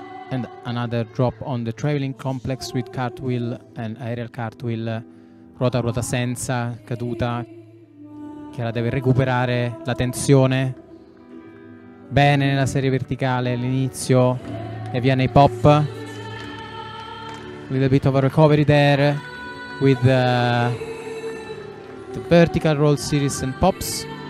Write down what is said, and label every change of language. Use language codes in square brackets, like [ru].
[en] And another drop on the traveling complex with cartwheel and aerial cartwheel. [it] Ruota ruota senza caduta. Chiara deve recuperare la tensione. Bene nella serie verticale all'inizio e via nei pop. [en] A little bit of a recovery there with the vertical roll series and pops.